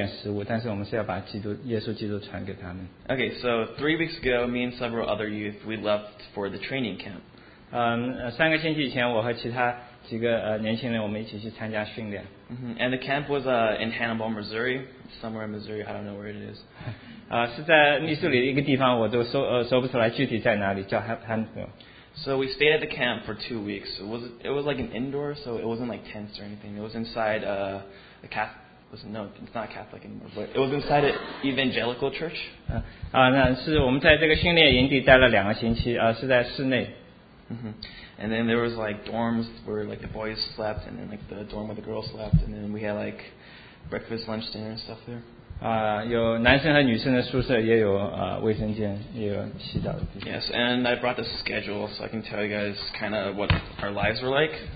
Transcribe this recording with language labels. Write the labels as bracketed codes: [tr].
[zh] 那里通常都是很贫穷的家庭，他们没有钱。那我们是去传基督，尽管有的人他们可能来，他们动机就是为了得到一点食物，但是我们是要把基督耶稣基督传给他们。 [en] Okay, so 3 weeks ago, me and several other youth, we left for the training camp. [zh] 三个星期以前，我和其他几个年轻人，我们一起去参加训练。 Mm-hmm. [en] And the camp was in Hannibal, Missouri, somewhere in Missouri. I don't know where it is. [zh] 是在密苏里的一个地方，我都说不出来具体在哪里，叫 Hannibal. [en] So we stayed at the camp for 2 weeks. It was like an indoor, so it wasn't like tents or anything. It was inside a Catholic. Was it, no, it's not Catholic anymore. But it was inside an evangelical church. [zh] 那是我们在这个训练营地待了两个星期，是在室内。 Mm-hmm. [en] And then there was like dorms where like the boys slept, and then like the dorm where the girls slept, and then we had like breakfast, lunch, dinner, and stuff there. [zh] 有男生和女生的宿舍，也有卫生间，也有洗澡的地方。 [en] Yes, and I brought the schedule so I can tell you guys kind of what our lives were like.